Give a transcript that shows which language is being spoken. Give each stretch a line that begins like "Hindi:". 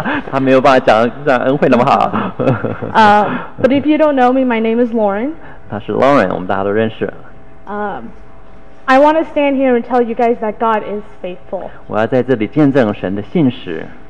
Chinese: 他没有办法讲像恩惠那么好。
English: But if you don't know me, my name is Lauren.
Chinese: 他是 Lauren, 我们大家都认识。
English: I want to stand here and tell you guys that God is faithful.
Chinese: 我要在这里见证神的信实。